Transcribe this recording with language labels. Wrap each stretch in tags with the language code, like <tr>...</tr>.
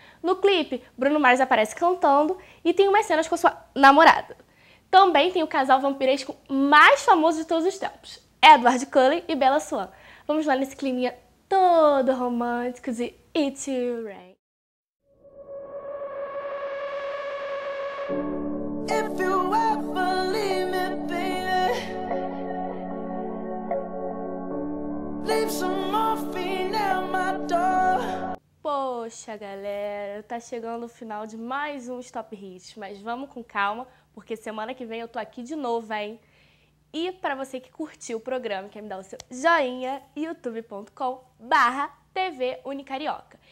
<pt>No clipe, Bruno Mars aparece cantando e tem umas cenas com sua namorada. Também tem o casal vampiresco mais famoso de todos os tempos, Edward Cullen e Bella Swan. Vamos lá nesse climinha todo romântico de It Will Rain.</pt> <en>If you ever leave me, baby, leave some morphine at my door.</en> <pt>Poxa, galera, tá chegando o final de mais um Stop Hits, mas vamos com calma, porque semana que vem eu tô aqui de novo, hein? E pra você que curtiu o programa, quer me dar o seu joinha, youtube.com/TVUnicarioca.</pt>